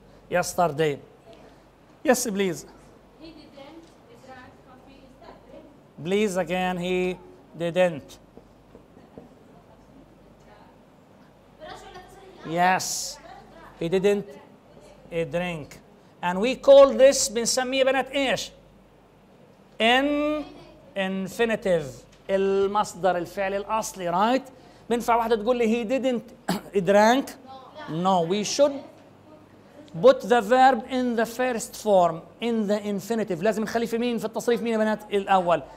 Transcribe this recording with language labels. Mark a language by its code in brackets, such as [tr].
[en] Yesterday yes please please again he didn't Yes, he didn't drink. And we call this, [ar] بنسميه بنات إيش؟ [en] Infinitive. [ar] المصدر الفعل الأصلي, [en] right? [ar] بنفع واحدة تقول لي [en] he didn't drink. No, we should put the verb in the first form, in the infinitive. [ar] لازم نخلي في مين في التصريف مين بنات الأول.